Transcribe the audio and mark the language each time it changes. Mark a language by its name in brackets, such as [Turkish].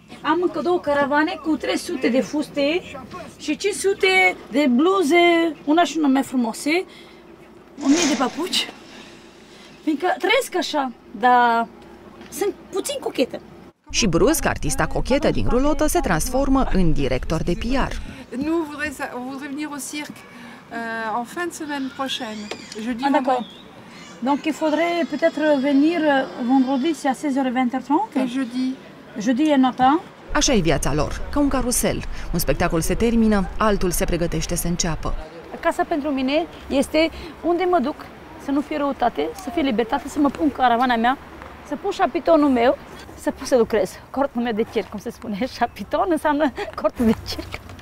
[Romanian] Am încă două caravane cu 300 de fuste și 500 de bluze, una și una mai frumoase, 1000 de papuci. Fiindcă trăiesc așa, dar sunt puțin cochetă. Și brusc, artista cochetă din Rulotă se transformă în director de PR. [French] Nous voudrions venir au cirque en fin de semaine prochaine. Jeudi. Ah, d'accord. Donc il faudrait peut-être venir vendredi si à 16h20. Et jeudi. Jeudi et nota. [Romanian] Așa e viața lor, ca un carusel. Un spectacol se termină, altul se pregătește să înceapă. Casa pentru mine este unde mă duc, să nu fie răutate, să fie libertate, să mă pun caravana mea, să pun șapitonul meu, să pot să lucrez. Cortul meu de circ, cum se spune. Șapiton înseamnă cortul de circ.